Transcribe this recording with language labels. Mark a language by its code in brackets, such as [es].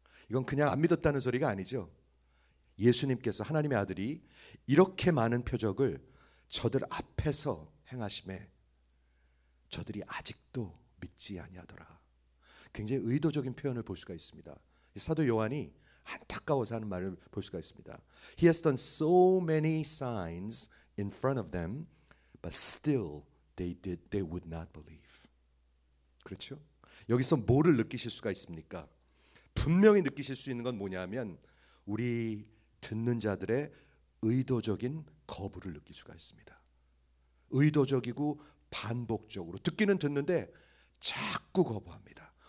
[ko] 이건 그냥 안 믿었다는 소리가 아니죠. 예수님께서 하나님의 아들이 이렇게 많은 표적을 저들 앞에서 행하심에 저들이 아직도 믿지 아니하더라. 굉장히 의도적인 표현을 볼 수가 있습니다. 사도 요한이 안타까워서 하는 말을 볼 수가 있습니다. [en] He has done so many signs in front of them, but still they would not believe. [ko] 그렇죠? 여기서 뭐를 느끼실 수가 있습니까? 분명히 느끼실 수 있는 건 뭐냐면 우리 듣는 자들의 의도적인 거부를 느낄 수가 있습니다. 의도적이고 반복적으로 듣기는 듣는데 자꾸 거부합니다.